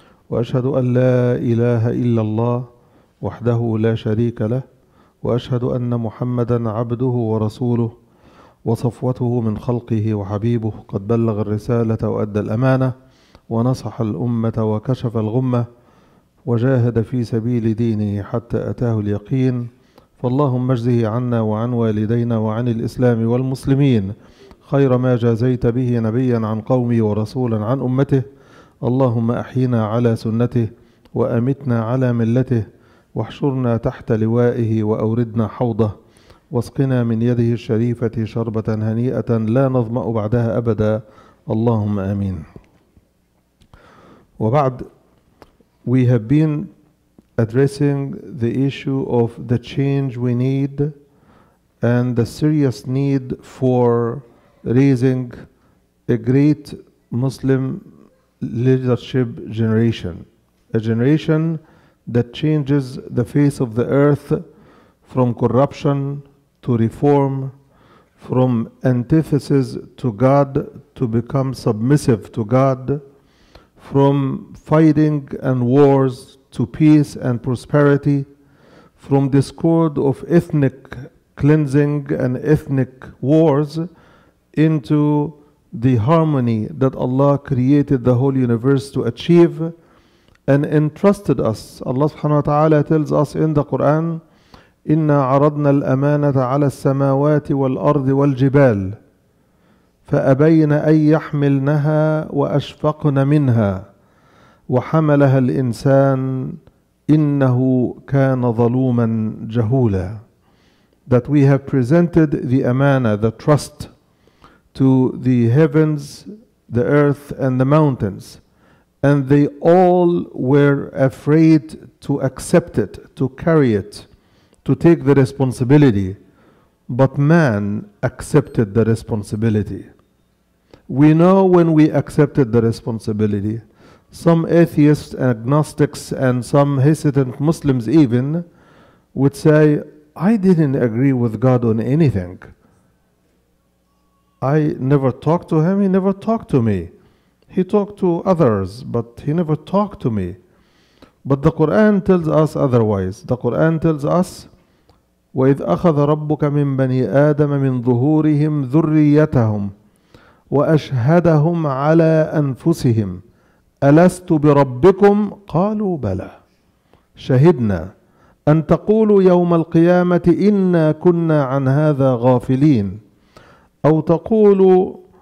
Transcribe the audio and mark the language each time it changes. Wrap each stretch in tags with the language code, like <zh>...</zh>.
<ar>وأشهد أن لا إله إلا الله وحده لا شريك له، وأشهد أن محمدًا عبده ورسوله وصفوته من خلقه وحبيبه، قد بلغ الرسالة وأدى الأمانة ونصح الأمة وكشف الغمة وجاهد في سبيل دينه حتى أتاه اليقين، فاللهم اجزه عنا وعن والدينا وعن الإسلام والمسلمين خير ما جازيت به نبيًا عن قومه ورسولًا عن أمته. اللهم أحينا على سنته وأمتنا على ملته، واحشرنا تحت لوائه وأوردنا حوضه، واسقنا من يده الشريفة شربة هنيئة لا نظمأ بعدها أبدا، اللهم آمين. وبعد،</ar> <en>we have been addressing the issue of the change we need and the serious need for raising a great Muslim leadership generation, a generation that changes the face of the earth from corruption to reform, from antithesis to God to become submissive to God, from fighting and wars to peace and prosperity, from discord of ethnic cleansing and ethnic wars into the harmony that Allah created the whole universe to achieve and entrusted us.</en> <ar>Allah subhanahu wa ta'ala</ar> <en>tells us in the Quran,</en> <ar>إِنَّا عَرَضْنَا الْأَمَانَةَ عَلَى السَّمَاوَاتِ وَالْأَرْضِ وَالْجِبَالِ فَأَبَيْنَ أَنْ يَحْمِلْنَهَا وَأَشْفَقْنَ مِنْهَا وَحَمَلَهَا الْإِنسَانِ إِنَّهُ كَانَ ظَلُومًا جَهُولًا.</ar> <en>That we have presented the amana, the trust, to the heavens, the earth, and the mountains, and they all were afraid to accept it, to carry it, to take the responsibility, but man accepted the responsibility. We know when we accepted the responsibility. Some atheists, agnostics, and some hesitant Muslims even would say, I didn't agree with God on anything. I never talked to him, he never talked to me. He talked to others, but he never talked to me. But the Quran tells us otherwise. The Quran tells us,</en> <ar>وَإِذْ أَخَذَ رَبُّكَ مِنْ بَنِي آدَمَ مِنْ ظُهُورِهِمْ ذُرِّيَّتَهُمْ وَأَشْهَدَهُمْ عَلَىٰ أَنفُسِهِمْ أَلَسْتُ بِرَبِّكُمْ قَالُوا بَلَىٰ شَهِدْنَا أَنْ تَقُولُوا يَوْمَ الْقِيَامَةِ إِنَّا كُنَّا عَنْ هَذَا غَافِلِينَ أو تقول</ar>